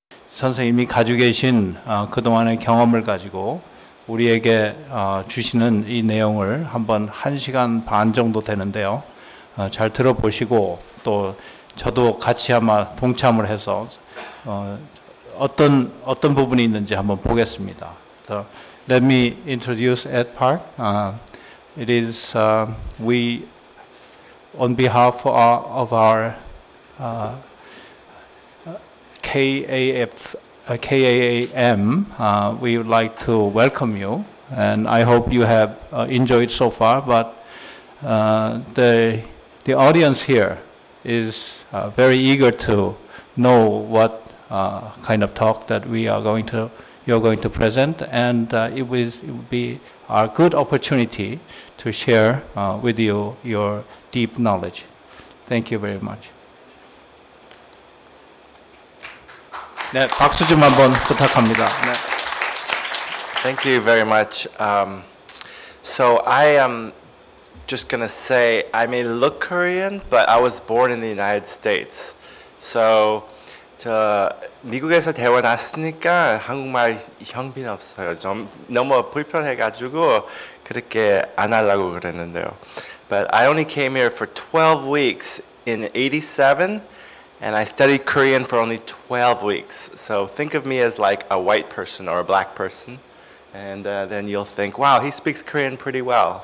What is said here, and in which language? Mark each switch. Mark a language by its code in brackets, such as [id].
[ko] 선생님이 가지고 계신 그동안의 경험을 가지고 우리에게 주시는 이 내용을 한번 1시간 반 정도 되는데요. 잘 들어보시고 또 저도 같이 아마 동참을 해서 어떤 부분이 있는지 한번 보겠습니다. [en] So, let me introduce Ed Park. It is we on behalf of our KAAM, we would like to welcome you, and I hope you have enjoyed so far. But the audience here is very eager to know what kind of talk that you're going to present, and it would be a good opportunity to share with you your deep knowledge. Thank you very much. [ko] 네, 박수 좀 한번 부탁합니다. 네. [en] Thank you very much. So I am just going to say I may look Korean, but I was born in the United States. [ko] So 저 미국에서 태어났으니까 한국말 형편 없어요. 좀 너무 불편해가지고 그렇게 안 하려고 그랬는데요. [en] But I only came here for 12 weeks in 87. And I studied Korean for only 12 weeks. So think of me as like a white person or a black person. And then you'll think, wow, he speaks Korean pretty well.